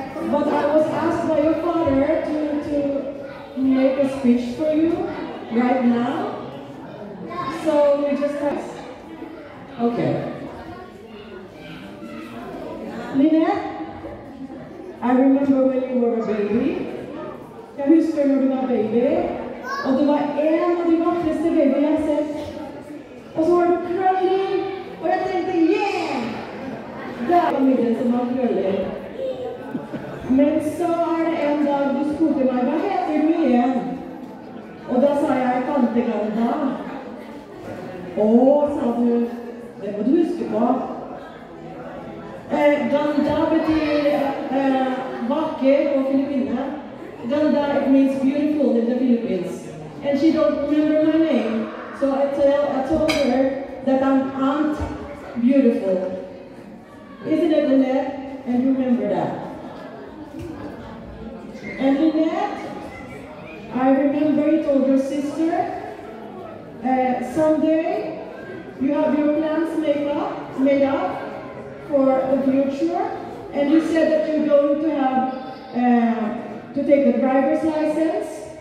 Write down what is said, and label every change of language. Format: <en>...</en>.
<en>But I was asked by your father to make a speech for you right now. So we just have... Okay. Linette, I remember when you were a baby.</en> <no>Jeg husker når du var baby. Og du var en av de vakreste babyene jeg har sett. Og så var du krøllig. Og jeg tenkte, yeah! Det er familien som var krøllig. Men så er det en dag du spurte meg, hva heter du igjen? Og da sa jeg, tante Glenda. Åh, sa du, det må du huske på. Glenda betyr vakker på Filippinene.</no> <en>Glenda means beautiful in the Philippines. And she don't remember my name. So I told her that I'm Aunt Beautiful. Isn't it, Linette? And remember that. And Linette, I remember you told your sister, someday you have your plans made up for the future, and you said that you're going to have to take the driver's license.</en>